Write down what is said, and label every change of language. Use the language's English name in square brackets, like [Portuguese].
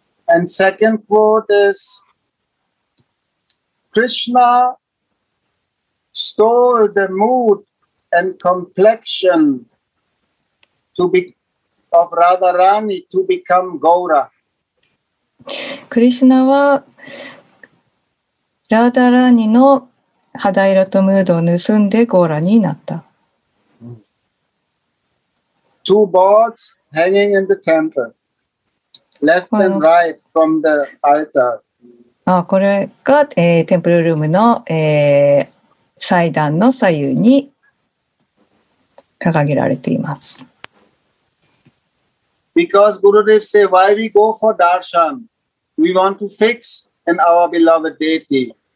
[English] And second quote is Krishna stole the mood and complexion to be of Radharani to become Gaura. [Japanese] クリシュナはラダラーニの肌色とムードを盗んでゴーラになった。 [English] Two boards hanging in the temple, left and right from the altar. [Japanese] ああ、これが、テンプルルームの、祭壇の左右に掲げられています。 [English] Because Gurudev say, why we go for darshan? We want to fix in our beloved deity.